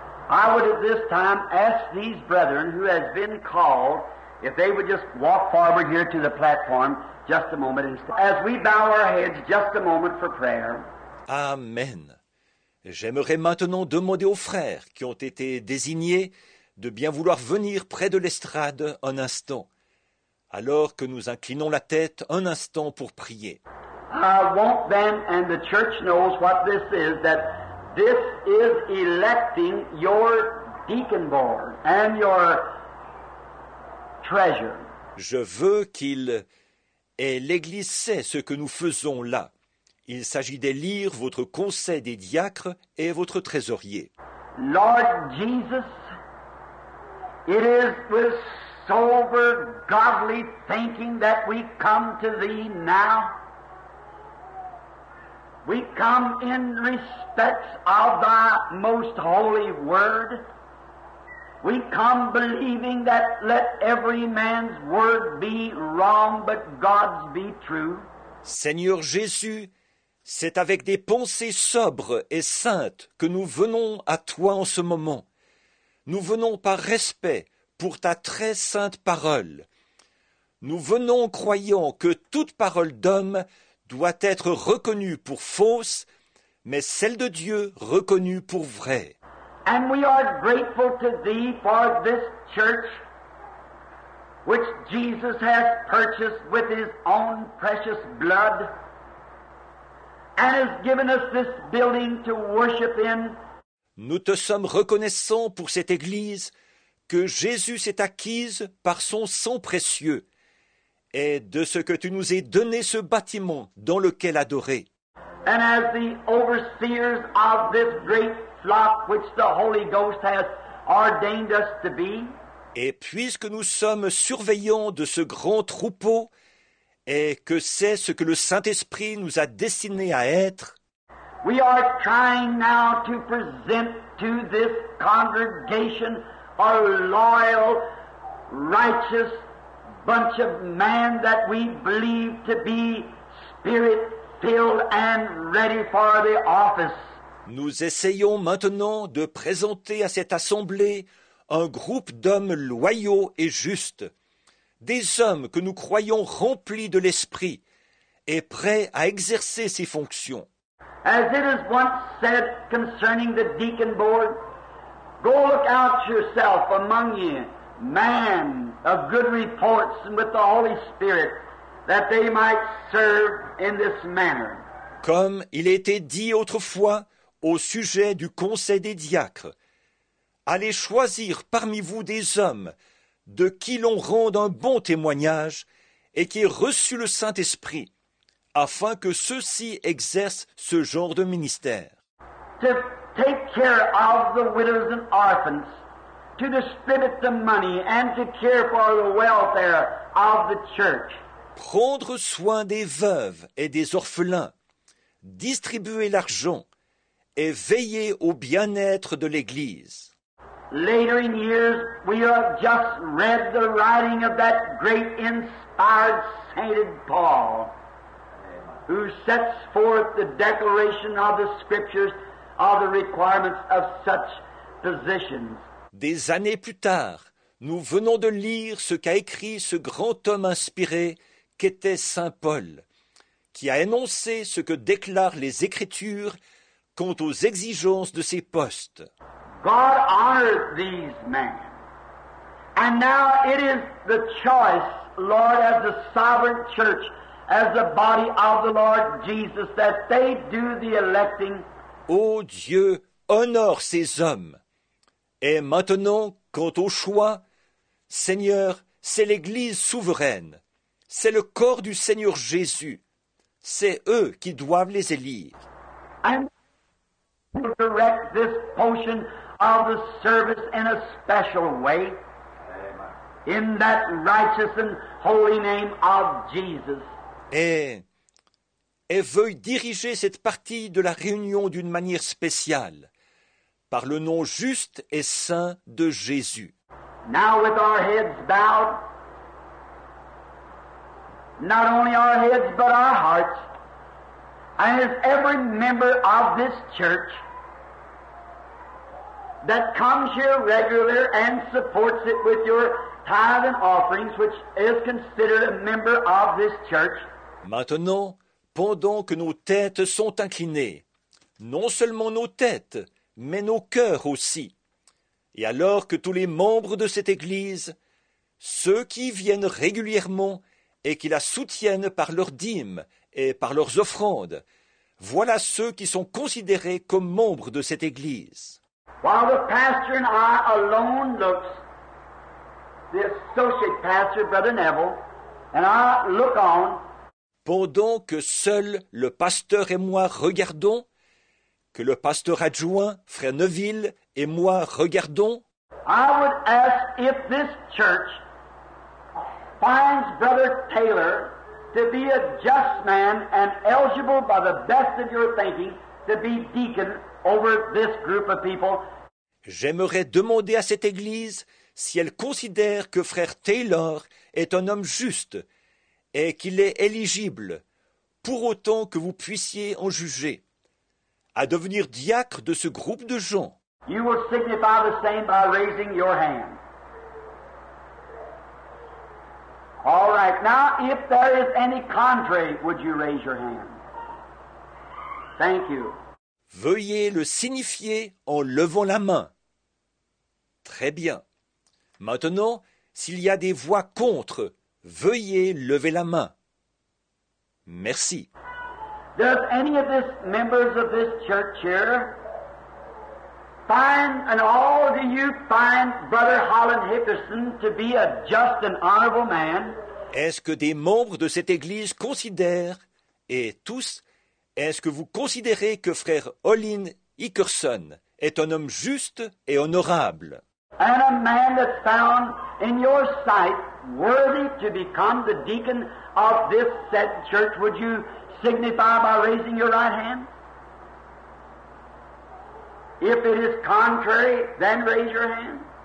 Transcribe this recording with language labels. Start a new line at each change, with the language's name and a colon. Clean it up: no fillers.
English: I would at this time ask these brethren who has been called if they would just walk forward here to the platform just a moment as we bow our heads just a moment for prayer. Amen.
French: J'aimerais maintenant demander aux frères qui ont été désignés de bien vouloir venir près de l'estrade un instant, alors que nous inclinons la tête un instant pour prier.
English: I want them, and the church knows what this is, that this is electing your deacon board and your treasure.
French: Je veux qu'ils, et l'Église sait ce que nous faisons là. Il s'agit d'élire votre conseil des diacres et votre trésorier.
English: Lord Jesus, it is with sober, godly thinking that we come to Thee now. We come in respect of Thy most holy word. We come believing that let every man's word be wrong, but God's be true.
French: Seigneur Jésus, c'est avec des pensées sobres et saintes que nous venons à Toi en ce moment. Nous venons par respect pour ta très sainte parole. Nous venons croyant que toute parole d'homme doit être reconnue pour fausse, mais celle de Dieu reconnue pour vraie.
English: And we are grateful to thee for this church which Jesus has purchased with his own precious blood and has given us this building to worship in.
French: Nous te sommes reconnaissants pour cette Église que Jésus s'est acquise par son sang précieux et de ce que tu nous aies donné ce bâtiment dans lequel adorer.
English: And as the overseers of this great flock which the Holy Ghost has ordained us to be.
French: Et puisque nous sommes surveillants de ce grand troupeau et que c'est ce que le Saint-Esprit nous a destinés à être,
English: we are trying now to present to this congregation a loyal, righteous bunch of men that we believe to be spirit-filled filled and ready for the office.
French: Nous essayons maintenant de présenter à cette assemblée un groupe d'hommes loyaux et justes, des hommes que nous croyons remplis de l'esprit et prêts à exercer ces fonctions.
English: As it is once said concerning the deacon board, go look out yourself among you, man of good reports and with the Holy Spirit, that they might serve in this manner.
French: Comme il était dit autrefois au sujet du conseil des diacres, allez choisir parmi vous des hommes de qui l'on rende un bon témoignage et qui aient reçu le Saint-Esprit, afin que ceux-ci exercent ce genre de ministère.
English: To take care of the widows and orphans, to distribute the money and to care for the welfare of the church.
French: Prendre soin des veuves et des orphelins, distribuer l'argent et veiller au bien-être de l'Église.
English: Later in years, we have just read the writing of that great inspired sainted Paul, who sets forth the declaration of the scriptures of the requirements of such positions.
French: Des années plus tard, nous venons de lire ce qu'a écrit ce grand homme inspiré qu'était saint Paul, qui a énoncé ce que déclarent les Écritures quant aux exigences de ces postes.
English: God honored these men. And now it is the choice, Lord, as the sovereign church, as the body of the Lord Jesus, that they do the electing.
French: Ô Dieu, honore ces hommes. Et maintenant, quant au choix, Seigneur, c'est l'Église souveraine. C'est le corps du Seigneur Jésus. C'est eux qui doivent les élire.
English: To direct this portion of the service in a special way, in that righteous and holy name of Jesus.
French: Et veuille diriger cette partie de la réunion d'une manière spéciale, par le nom juste et saint de Jésus.
English: Now with our heads bowed, not only our heads but our hearts, and as every member of this church that comes here regular and supports it with your tithe and offerings, which is considered a member of this church.
French: Maintenant, pendant que nos têtes sont inclinées, non seulement nos têtes, mais nos cœurs aussi, et alors que tous les membres de cette Église, ceux qui viennent régulièrement et qui la soutiennent par leurs dîmes et par leurs offrandes, voilà ceux qui sont considérés comme membres de cette Église.
English: While the pastor and I alone looks, the associate pastor, Brother Neville, and I look on.
French: Pendant que seul le pasteur et moi regardons, que le pasteur adjoint, Frère Neville, et moi regardons,
English: I would ask if this church finds Brother Taylor to be a just man and eligible by the best of your thinking to be deacon over this group of people.
French: J'aimerais demander à cette Église si elle considère que Frère Taylor est un homme juste et qu'il est éligible, pour autant que vous puissiez en juger, à devenir diacre de ce groupe de gens.
English: You will signify the same by raising your hand. All right, now if there is any contrary, would you raise your hand? Thank you.
French: Veuillez le signifier en levant la main. Très bien. Maintenant, s'il y a des voix contre, veuillez lever la main. Merci.
English: Does any of these members of this church here find, and all of you find, Brother Holland Hickerson to be a just and honorable man?
French: Est-ce que des membres de cette Église considèrent, et tous, est-ce que vous considérez que Frère Olin Hickerson est un homme juste et honorable?
English: And a man that's found in your sight worthy to become the deacon of this said church, would you signify by raising your right hand? If it is contrary, then raise your hand.